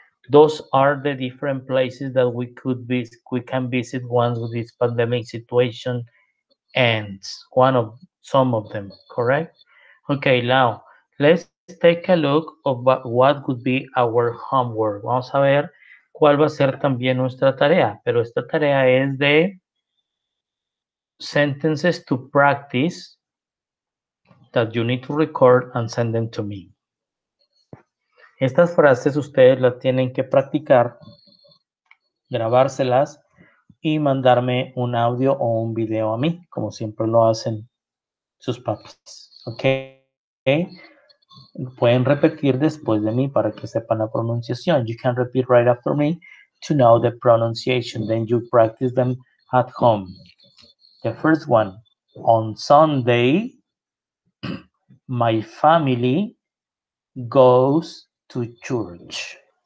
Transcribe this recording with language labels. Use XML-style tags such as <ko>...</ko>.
<en>Those are the different places that we could visit, we can visit once this pandemic situation ends. One of some of them, correct? Okay, now let's take a look of what would be our homework.</en> <es>Vamos a ver cuál va a ser también nuestra tarea. Pero esta tarea es de</es> <en>sentences to practice that you need to record and send them to me.</en> <es>Estas frases ustedes las tienen que practicar, grabárselas y mandarme un audio o un video a mí, como siempre lo hacen sus papás. Okay. Pueden repetir después de mí para que sepan la pronunciación.</es> <en>You can repeat right after me to know the pronunciation. Then you practice them at home. The first one. On Sunday, my family goes to church.</en>